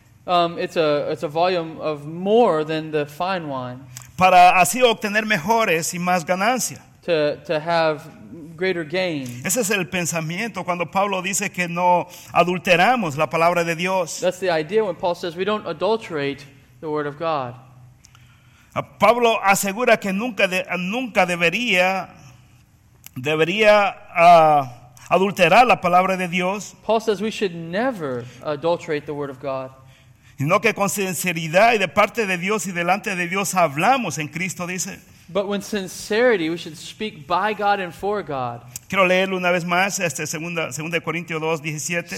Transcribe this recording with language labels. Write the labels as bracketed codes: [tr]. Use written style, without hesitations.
[en] It's a volume of more than the fine wine. [es] Para así obtener mejores y más ganancia. [en] To have greater gain. [es] Ese es el pensamiento cuando Pablo dice que no adulteramos la palabra de Dios. [en] That's the idea when Paul says we don't adulterate the word of God. [es] Pablo asegura que nunca debería. Debería adulterar la palabra de Dios. [en] Paul says we should never adulterate the word of God. [es] Sino que con sinceridad y de parte de Dios y delante de Dios hablamos en Cristo, dice. [en] But with sincerity we should speak by God and for God. [es] Quiero leerlo una vez más, 2 Corintios 2, 17.